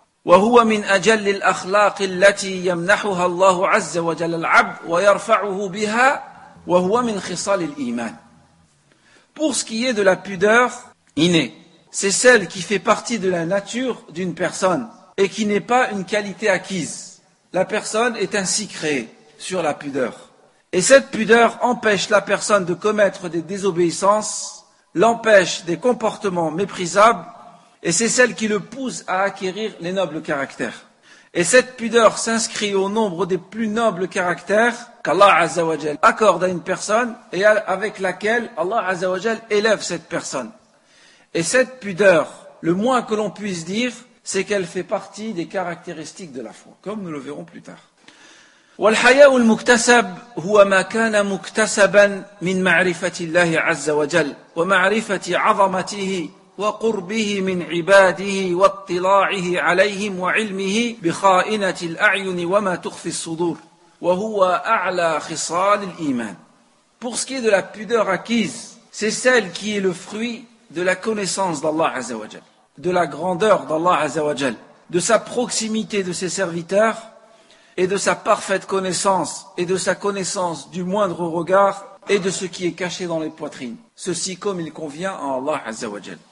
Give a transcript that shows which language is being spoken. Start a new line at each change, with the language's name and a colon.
Arabic: وهو من أجل الأخلاق التي يمنحها الله عز وجل العبد ويرفعه بها وهو من خصال الإيمان.
French: Pour ce qui est de la pudeur innée, c'est celle qui fait partie de la nature d'une personne et qui n'est pas une qualité acquise. La personne est ainsi créée sur la pudeur. Et cette pudeur empêche la personne de commettre des désobéissances, l'empêche des comportements méprisables. Et c'est celle qui le pousse à acquérir les nobles caractères. Et cette pudeur s'inscrit au nombre des plus nobles caractères qu'Allah Azza wa Jal accorde à une personne et avec laquelle Allah Azza wa Jal élève cette personne. Et cette pudeur, le moins que l'on puisse dire, c'est qu'elle fait partie des caractéristiques de la foi, comme nous le verrons plus tard.
Arabic: وَالْحَيَاءُ الْمُكْتَسَبُ هُوَ مَا كَانَ مُكْتَسَبًا مِنْ مَعْرِفَةِ اللَّهِ عَزَّ وَجَلْ وَمَعْرِفَةِ عَظَمَتِهِ وقربه من عباده واطلاعه عليهم وعلمه بخائنة الأعين وما تخفي الصدور وهو أعلى خصال الإيمان.
French: Pour ce qui est de la pudeur acquise, c'est celle qui est le fruit de la connaissance d'Allah Azza wa Jal, de la grandeur d'Allah Azza wa Jal, de sa proximité de ses serviteurs et de sa parfaite connaissance et de sa connaissance du moindre regard et de ce qui est caché dans les poitrines, ceci comme il convient à Allah Azza wa Jal.